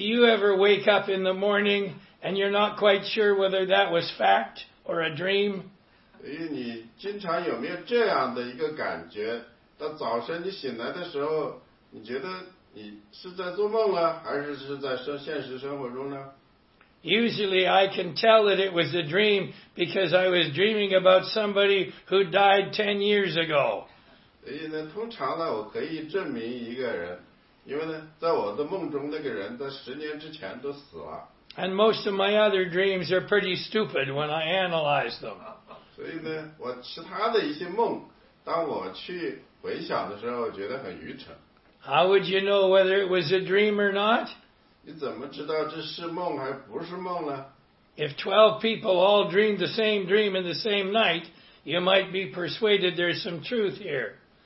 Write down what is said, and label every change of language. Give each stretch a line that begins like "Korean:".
English: you ever wake up in the morning and you're not quite sure whether that was fact or a dream?
Chinese: 你经常有没有这样的一个感觉，到早晨你醒来的时候，你觉得？你是在做梦呢，还是在现实生活中呢？
English: Usually I can tell that it was a dream because I was dreaming about somebody who died 10 years ago.
Chinese: 所以呢，通常呢，我可以证明一个人，因为呢，在我的梦中那个人在10年之前都死了。
English: And most of my other dreams are pretty stupid when I analyze them.
Chinese: 所以呢，我其他的一些梦，当我去回想的时候，觉得很愚蠢。
English: How would you know whether it was a dream or not?
Chinese: 你怎么知道这是梦还不是梦呢?
English: If 12 people all dreamed the same dream in the same night, you might be persuaded there's some truth here.